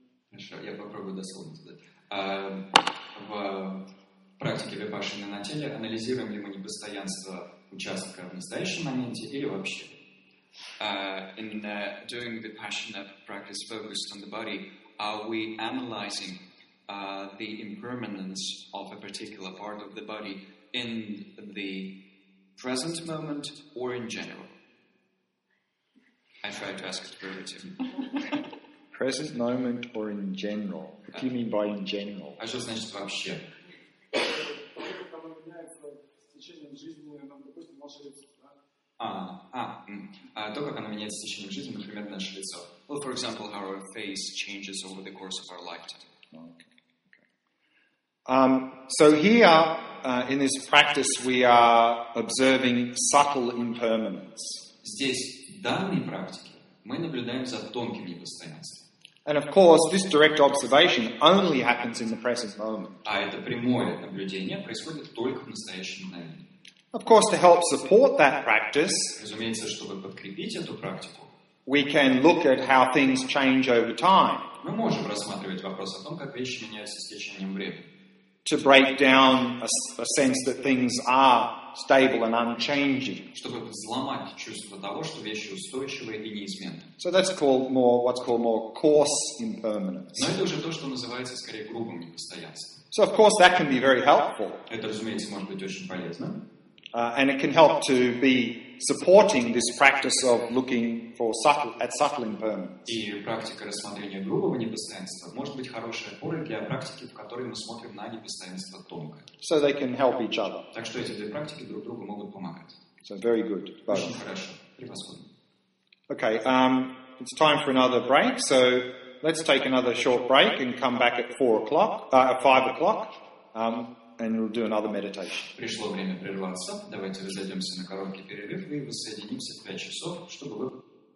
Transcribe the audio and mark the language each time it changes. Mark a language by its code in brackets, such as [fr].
[ru] Хорошо, я попробую дословно задать. В практике випассаны на теле анализируем ли мы непостоянство участка в настоящем моменте или вообще? [en] In doing vipassana practice focused on the body, are we analyzing the impermanence of a particular part of the body in the present moment or in general? I tried to ask it earlier too. Present moment or in general? What do you mean by in general? [ru] А что значит вообще? Когда меняется в течение жизни, допустим, ваша лицо, да? То, как оно меняется в течение жизни, например, наше лицо. [en] Well, for example, how our face changes over the course of our lifetime. So here, in this practice, we are observing subtle impermanence. [ru] Здесь, в данной практике, мы наблюдаем за тонким непостоянством. [en] And of course, this direct observation only happens in the present moment. [ru] А это прямое наблюдение происходит только в настоящем моменте. [en] Of course, to help support that practice, [ru] разумеется, чтобы подкрепить эту практику, [en] we can look at how things change over time. [ru] Мы можем рассматривать вопрос о том, как вещи меняются с течением времени. [en] To break down a sense that things are stable and unchanging. [ru] Чтобы взломать чувство того, что вещи устойчивые и неизменные. [en] So that's called more, what's called more coarse impermanence. [ru] Но это уже то, что называется скорее грубым непостоянством. [en] So of course that can be very helpful. [ru] Это, разумеется, может быть очень полезно. [en] And it can help to be supporting this practice of looking for subtle impermanence. [ru] И практика рассмотрения грубого непостоянства может быть хорошей опорой для практики, в которой мы смотрим на непостоянство тонкое. [en] So they can help each other. [ru] Так что эти две практики друг другу могут помогать. [en] So very good. Both. [ru] Очень хорошо. Превосходно. [en] Okay, it's time for another break. So let's take another short break and come back at 4 o'clock, at 5 o'clock. And we'll do another meditation. [ru] Пришло время прерваться. Давайте разойдемся на короткий перерыв и воссоединимся в 5 часов, чтобы вы...